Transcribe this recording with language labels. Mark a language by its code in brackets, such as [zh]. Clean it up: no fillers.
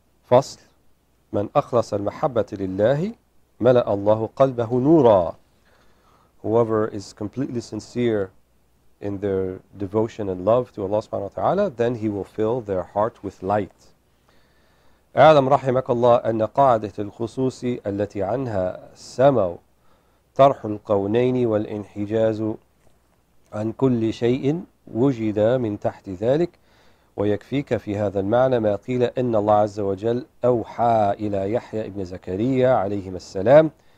[ar] فصل من أخلص المحبة لله ملأ الله قلبه نورا. [en] Whoever is completely sincere in their devotion and love to Allah subhanahu wa ta'ala, then he will fill their heart with light. [ar] اعلم رحمك الله ان قاعده الخصوص التي عنها سموا طرح الكونين والانحجاز عن كل شيء وجد من تحت ذلك، ويكفيك في هذا المعنى ما قيل ان الله عز وجل اوحى الى يحيى ابن زكريا عليهما السلام: